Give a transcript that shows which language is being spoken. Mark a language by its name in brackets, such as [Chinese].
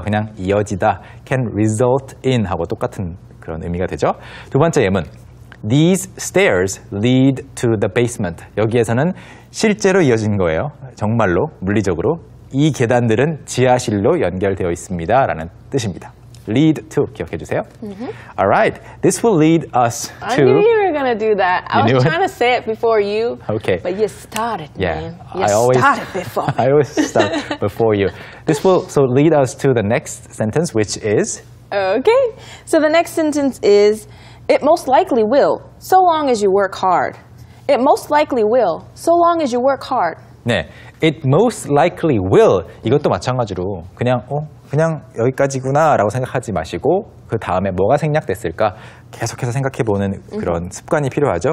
[Korean] 그냥 이어지다, [English] can result in [Korean] 하고 똑같은 그런 의미가 되죠. 두 번째 예문, [English] these stairs lead to the basement. [Korean] 여기에서는 실제로 이어진 거예요. 정말로 물리적으로 이 계단들은 지하실로 연결되어 있습니다 라는 뜻입니다. Lead to, 기억해 주세요. [English] Mm-hmm. All right, this will lead us to... I knew you were going to do that. I was trying to say it before you, okay. but you started, yeah. man. I always start before you. This will so lead us to the next sentence, which is... Okay, so the next sentence is, it most likely will, so long as you work hard. It most likely will, so long as you work hard. 네, it most likely will, [Korean] 이것도 마찬가지로 그냥... 그냥 여기까지구나 라고 생각하지 마시고 그 다음에 뭐가 생략됐을까 계속해서 생각해보는 그런 습관이 필요하죠.